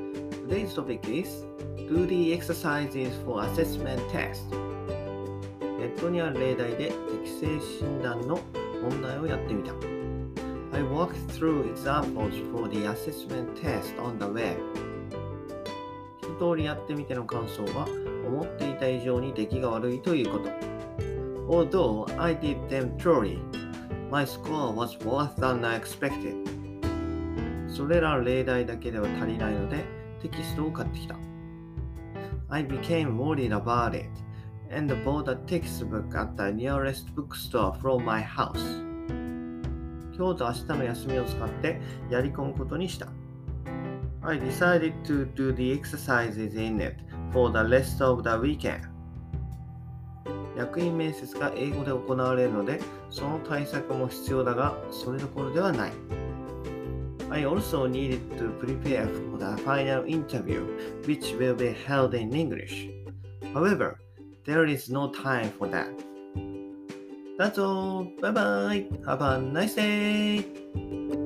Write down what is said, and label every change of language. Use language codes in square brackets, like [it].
[en] Today's topic is Do the exercises for assessment test. [ja] ネットにある例題で適性診断の問題をやってみた。 [en] I walked through examples for the assessment test on the web. [ja] 一通りやってみての感想は、思っていた以上に出来が悪いということ。 [en] Although I did them thoroughly, my score was worse than I expected. [ja] それら例題だけでは足りないのでテキストを買ってきた。 [en] I became worried about it and bought a textbook at the nearest bookstore from my house. [ja] 今日と明日の休みを使ってやり込むことにした。 [en] I decided to do the exercises in it for the rest of the weekend. [ja] 役員面接が英語で行われるのでその対策も必要だがそれどころではない。 [en] I also needed to prepare for the final interview, which will be held in English. However, there is no time for that. That's all. Bye-bye. Have a nice day.